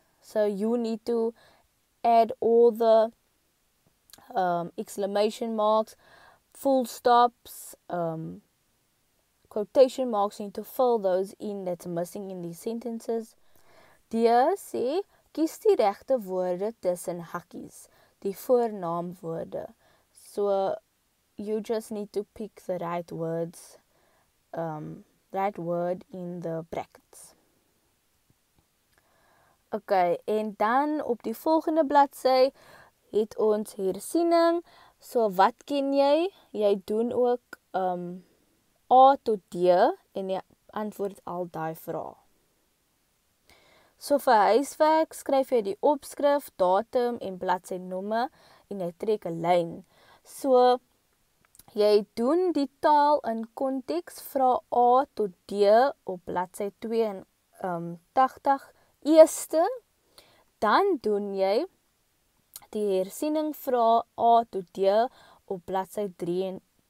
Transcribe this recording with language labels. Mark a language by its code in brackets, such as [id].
[en] So you need to add all the exclamation marks, full stops, quotation marks, you need to fill those in that's missing in these sentences. [af] Die sê, kies die regte woorde tussen hakkies, die voornaamwoorde. [en] So, you just need to pick the right words, right word in the brackets. [af] Okay, en dan op die volgende bladsy het ons hersiening. So wat ken jy? Jy doen ook A tot D en jy antwoord al die vrae. So vir huiswerk skryf jy die opskrif, datum en bladsynommer en jy trek 'n lyn. So jy doen die taal in konteks, vra A tot D op bladsy 82 eerste, dan doen jy die hersiening vra A tot D op bladsy 83.